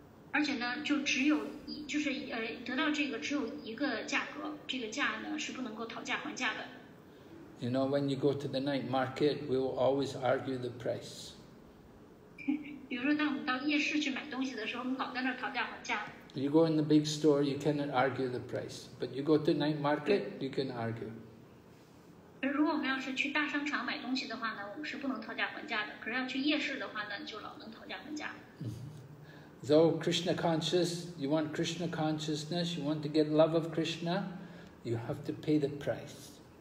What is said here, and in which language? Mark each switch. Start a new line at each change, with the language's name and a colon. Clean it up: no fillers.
Chinese: 而且呢，就只有一，就是得到这个只有一个价格，这个价呢是不能够讨价还价的。
English: You know, when you go to the night market, we will always argue the price.
Chinese: 比如说，当我们到夜市去买东西的时候，我们老在那儿讨价还价。
English: You go in the big store, you cannot argue the price. But you go to the night market, you can argue.
Chinese: 如果我们要是去大商场买东西的话呢，我们是不能讨价还价的。可是要去夜市的话呢，就老能讨价还价。
English: So Krishna conscious, you want Krishna consciousness, you want to get love of Krishna, you have to pay the price.